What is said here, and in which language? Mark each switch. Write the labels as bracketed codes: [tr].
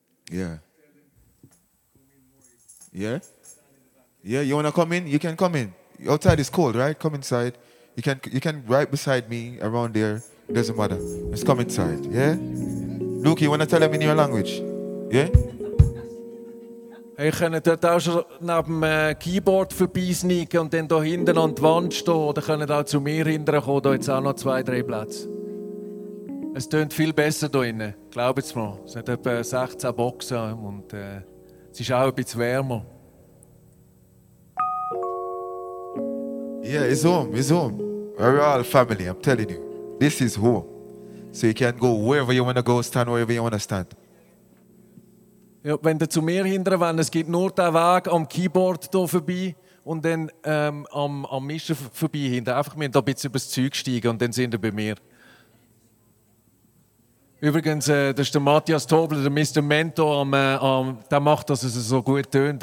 [en] Yeah. Yeah? Yeah, you want to come in? You can come in. Outside is cold, right? Come inside. You can right beside me, around there. Doesn't matter. Just come inside, yeah? Luke, you want to tell them in your language? Yeah? [de] Hey, können dort auch schon neben dem Keyboard vorbeisneigen und dann hier hinten an die Wand stehen oder können auch zu mir hinten kommen, da jetzt auch noch zwei, drei Plätze. Es tönt viel besser hier drinnen, glaubt es mir. Es hat etwa 16 Boxen und es ist auch ein bisschen wärmer. [en] Yeah, it's home, we're all family, I'm telling you. This is home. So you can go wherever you want to go, stand wherever you want to stand. [de] Ja, wenn ihr zu mir hinterher wollt, es gibt nur den Weg am Keyboard hier vorbei und dann am Mischer vorbei hinter. Einfach mir da ein bisschen übers Zeug steigen und dann sind ihr bei mir. Übrigens, das ist der Matthias Tobler, der Mr. Mentor, der macht, dass es so gut tönt.